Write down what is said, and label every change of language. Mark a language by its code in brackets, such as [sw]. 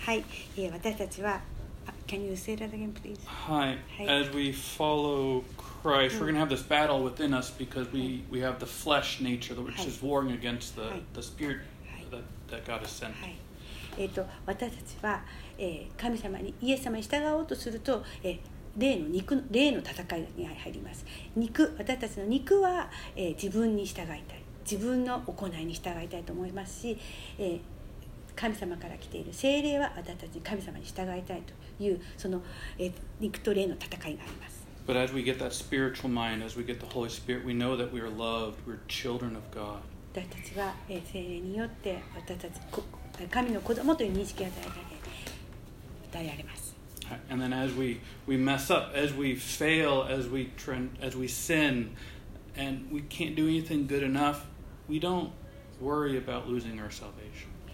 [ja] はい、私たちは、 [en] Can you say that again, please? Hi. As we follow Christ, we're going to have this battle within us because we have the flesh nature, which is warring against the spirit that God has sent. [ja] 私たちは、神様にイエス様に従おうとすると、霊の戦いに入ります。私たちの肉は、自分に従いたい、自分の行いに従いたいと思いますし、神様から来ている聖霊は私たちに神様に従いたいというその、肉と霊の戦いがあります。 [en] But as we get that spiritual mind, as we get the Holy Spirit, we know that we are loved, we're children of God. [ja] 私たちは、聖霊によって私たち神の子供という認識を与えられます。 [en] And then as we mess up, as we fail, as we sin, and we can't do anything good enough, we don't worry about losing our salvation.